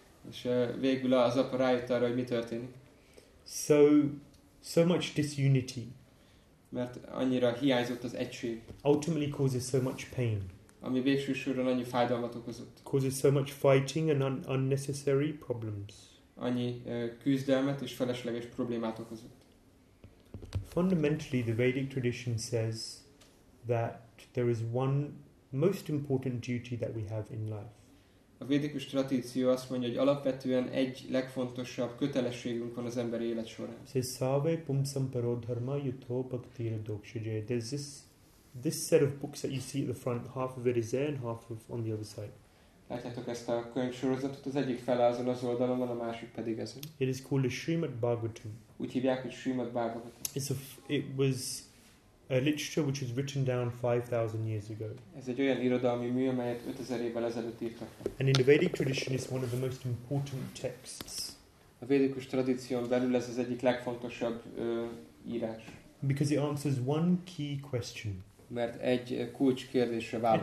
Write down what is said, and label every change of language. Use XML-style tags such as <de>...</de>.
<hu>És végül az apa rájött arra, hogy mi történik.</hu> <en>So much disunity.</en> <hu>Mert annyira hiányzott az egység.</hu> <en>Ultimately causes so much pain.</en> <hu>Ami végső soron annyi fájdalmat okozott.</hu> <en>Causes so much fighting and unnecessary problems.</en> <hu>Annyi küzdelmet és felesleges problémát okozott.</hu> <en>Fundamentally the Vedic tradition says that there is one most important duty that we have in life.</en> <hu>A védikus tradíció azt mondja, hogy alapvetően egy legfontosabb kötelességünk van az emberi élet során.</hu> <sa>Se sabe pum sampero dharma yutho bhakti doksha jay.</sa> <en>There's this set of books that you see at the front, half of it is there and half of on the other side.</en> <hu>Látjátok ezt a könyvsorozatot, az egyik fele azon az oldalon van, a másik pedig ezen.</hu> <en>It is called a Srimad Bhagavatam.</en> <hu>Úgy hívják, hogy Srimad Bhagavatam.</hu> <en>It was a literature which was written down 5,000 years ago.</en> <hu>Ez egy olyan irodalmi mű, amelyet 5000 évvel ezelőtt írtak.</hu> <en>And in the Vedic tradition, it's one of the most important texts.</en> <hu>A védikus tradíción belül ez az egyik legfontosabb írás.</hu> <en>Because it answers one key question.</en> <hu>Mert egy kulcs kérdésre válaszol.</hu>